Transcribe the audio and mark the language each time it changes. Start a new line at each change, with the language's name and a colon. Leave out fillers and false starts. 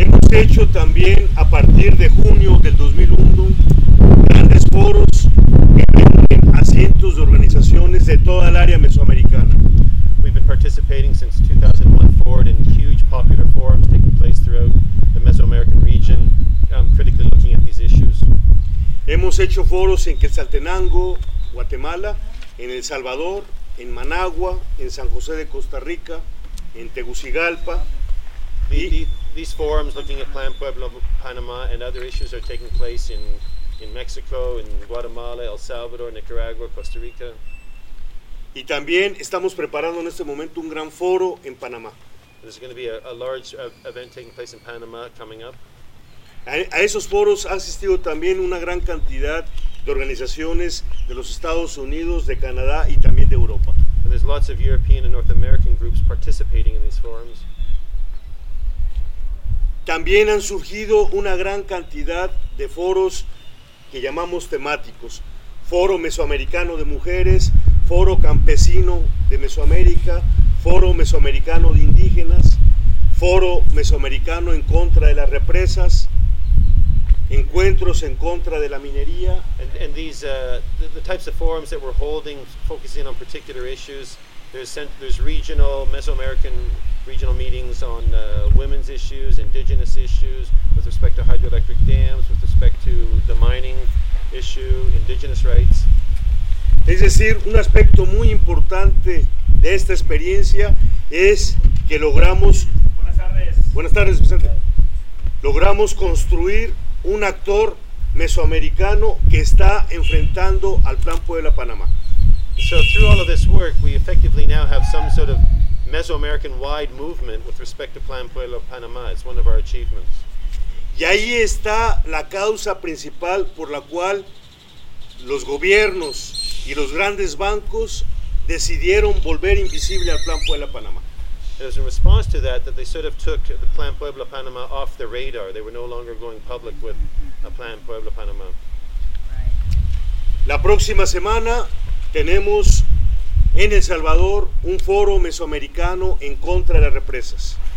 Spanish: Hecho también a partir de junio del 2001 grandes foros que reúnen a cientos de organizaciones de toda el área mesoamericana.
English: We've been participating since 2001 forward in huge popular forums taking place throughout the Mesoamerican region, critically looking at these issues.
Spanish: Hemos hecho foros en Quetzaltenango, Guatemala, en El Salvador, en Managua, en San José de Costa Rica, en Tegucigalpa.
English: These forums looking at Plan Pueblo Panama and other issues are taking place in Mexico, in Guatemala, El Salvador, Nicaragua, Costa Rica.
Spanish: Y también estamos preparando en este momento un gran foro en Panamá.
English: There's going to be a large event taking place in Panama coming up.
Spanish: A esos foros ha asistido también una gran cantidad de organizaciones de los Estados Unidos, de Canadá y también de Europa.
English: And there's lots of European and North American groups participating in these forums.
Spanish: También han surgido una gran cantidad de foros que llamamos temáticos. Foro Mesoamericano de Mujeres, Foro Campesino de Mesoamérica, Foro Mesoamericano de Indígenas, Foro Mesoamericano en contra de las represas, encuentros en contra de la minería.
English: And these the types of forums that we're holding, focusing on particular issues. There's regional Mesoamerican regional meetings on women's issues, indigenous issues, with respect to hydroelectric dams, with respect to the mining issue, indigenous rights.
Spanish: Es decir, un aspecto muy importante de esta experiencia es que logramos. Buenas tardes, Vicente. Logramos construir un actor mesoamericano que está enfrentando al Plan Puebla-Panamá.
English: So through all of this work, we effectively now have some sort of Mesoamerican-wide movement with respect to Plan Puebla-Panamá. It's one of our achievements.
Spanish: Y ahí está la causa principal por la cual los gobiernos y los grandes bancos decidieron volver invisible al Plan Puebla-Panamá.
English: It was in response to that they sort of took the Plan Puebla-Panamá off the radar. They were no longer going public with a Plan Puebla-Panamá.
Spanish: La próxima semana tenemos en El Salvador un foro mesoamericano en contra de las represas.